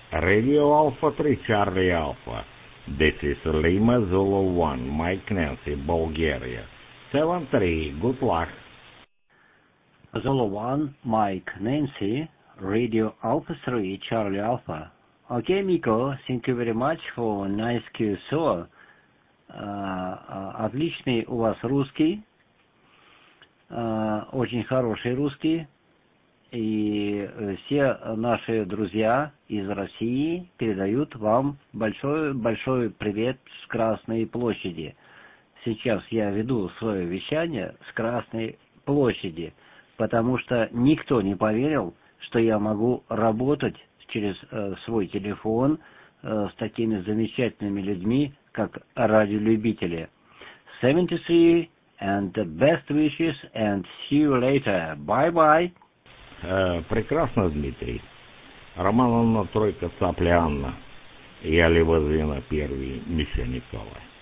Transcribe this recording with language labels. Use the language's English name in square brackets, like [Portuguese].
[English] Radio Alpha 3, Charlie Alpha. This is Lima Zulu 1, Mike Nancy, Bulgaria. 7-3, good luck. Zulu 1, Mike Nancy, Radio Alpha 3, Charlie Alpha. Okay, Miko, thank you very much for nice QSO. [Russian] Отличный у вас русский, очень хороший русский. И все наши друзья из России передают вам большой-большой привет с Красной площади. Сейчас я веду свое вещание с Красной площади, потому что никто не поверил, что я могу работать через свой телефон с такими замечательными людьми, как радиолюбители. [English] 73, and the best wishes, and see you later. Bye-bye. [Russian] Прекрасно, Дмитрий. Роман Анна Тройка, Цапля Анна. Я Левозина Первый, Миша Никола.